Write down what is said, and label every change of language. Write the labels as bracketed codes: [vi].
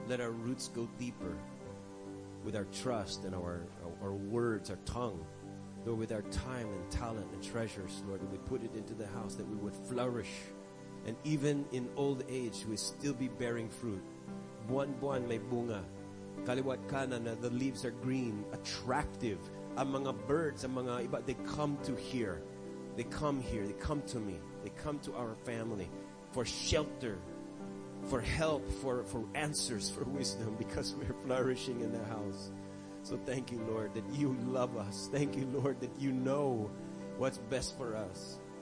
[en] Let our roots go deeper with our trust and our words, our tongue. Lord, with our time and talent and treasures, Lord, that we put it into the house, that we would flourish. And even in old age, we still be bearing fruit. [tl] Buwan-buwan may bunga. Kaliwat kanan na, [en] the leaves are green, attractive. [tl] Ang mga birds, ang mga iba, [en] they come to here. They come here. They come to me. They come to our family for shelter, for help, for answers, for wisdom, because we're flourishing in the house. So thank You, Lord, that You love us. Thank You, Lord, that You know what's best for us.